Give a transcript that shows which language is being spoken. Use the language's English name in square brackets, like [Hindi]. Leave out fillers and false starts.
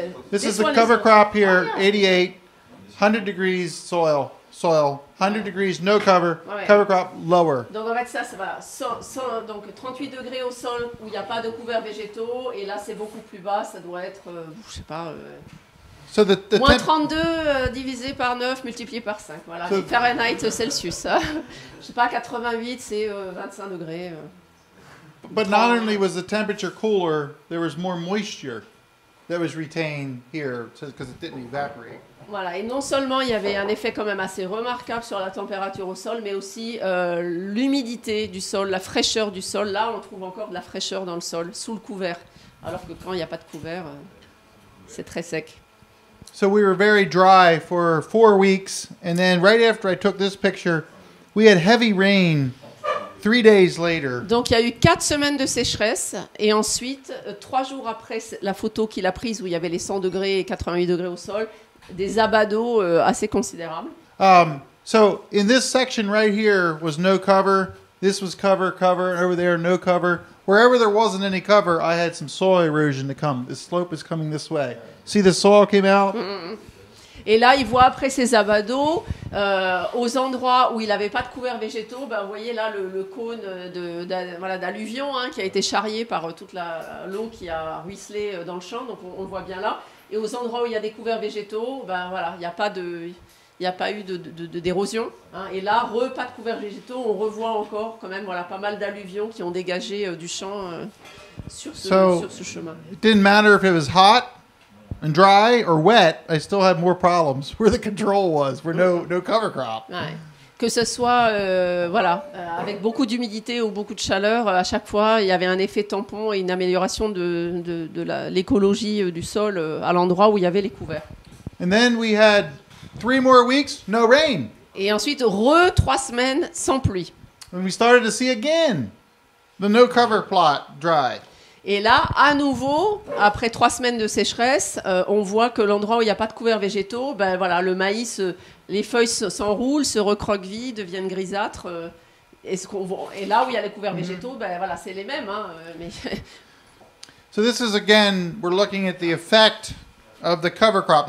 [English] This is the cover crop here, 88, 100 degrees soil. 100 degrees, no cover, cover crop, lower. [French] Donc en fait ça, c'est voilà, donc 38 degrés au sol où il n'y a pas de couvert végétaux, et là c'est beaucoup plus bas, ça doit être, je sais pas, moins 32 divisé par 9 multiplié par 5, voilà, so Fahrenheit Celsius, hein. Je sais pas, 88 c'est 25 degrés. [English] But not only was the temperature cooler, there was more moisture that was retained here, because it didn't evaporate. [French] Voilà, et non seulement il y avait un effet quand même assez remarquable sur la température au sol, mais aussi l'humidité du sol, la fraîcheur du sol. Là, on trouve encore de la fraîcheur dans le sol, sous le couvert. Alors que quand il n'y a pas de couvert, c'est très sec. [English] So we were very dry for 4 weeks, and then right after I took this picture, we had heavy rain 3 days later. [French] Donc il y a eu 4 semaines de sécheresse, et ensuite, 3 jours après la photo qu'il a prise, où il y avait les 100 degrés et 88 degrés au sol, des abados assez considérables. [English] So in this section right here was no cover. This was cover, over there no cover. Wherever there wasn't any cover, I had some soil erosion to come. The slope is coming this way. See the soil came out? [French] Et là, il voit après ces abados aux endroits où il avait pas de couvert végétaux, ben vous voyez là le cône voilà, d'alluvion, hein, qui a été charrié par toute l'eau qui a ruisselé dans le champ. Donc on voit bien là. Et aux endroits où il y a des couverts végétaux, ben voilà, il n'y a pas de, n'y a pas eu de d'érosion. Hein. Et là, pas de couverts végétaux, on revoit encore quand même voilà, pas mal d'alluvions qui ont dégagé du champ sur ce chemin. [English] It didn't matter if it was hot and dry or wet, I still have more problems where the control was, where no cover crop. [French] Ouais. Que ce soit avec beaucoup d'humidité ou beaucoup de chaleur, à chaque fois, il y avait un effet tampon et une amélioration de l'écologie du sol à l'endroit où il y avait les couverts. [English] And then we had three more weeks, no rain. [French] Et ensuite, trois semaines sans pluie. [English] And we started to see again the no cover plot dry. [French] Et là, à nouveau, après trois semaines de sécheresse, on voit que l'endroit où il n'y a pas de couverts végétaux, ben voilà, le maïs, les feuilles s'enroulent, se recroquevillent, deviennent grisâtres. Et là où il y a les couverts végétaux, ben voilà, c'est les mêmes. Hein, mais... [English] So this is again, we're looking at the effect of the cover crop.